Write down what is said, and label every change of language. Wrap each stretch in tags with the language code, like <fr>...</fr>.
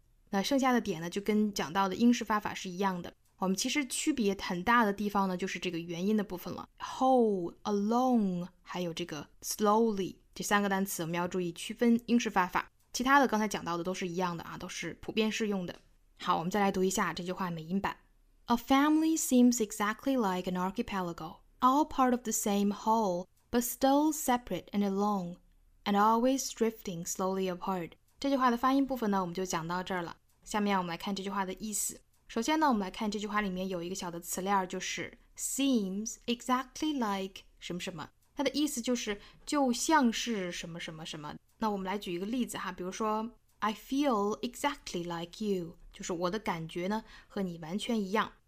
<zh>那剩下的点呢，就跟讲到的英式发法是一样的。我们其实区别很大的地方呢，就是这个元音的部分了。 Whole, alone, 还有这个 slowly 这三个单词，我们要注意区分英式发法。其他的刚才讲到的都是一样的啊，都是普遍适用的。好，我们再来读一下这句话美音版。</zh> <en>A family seems exactly like an archipelago, all part of the same whole, but still separate and alone, and always drifting slowly apart.</en> <zh>这句话的发音部分呢，我们就讲到这儿了。下面我们来看这句话的意思。首先呢，我们来看这句话里面有一个小的词链，就是 seems exactly like 什么什么。它的意思就是就像是什么什么什么。那我们来举一个例子哈，比如说</zh> <en>I feel exactly like you，</en> <zh>就是我的感觉呢和你完全一样。</zh>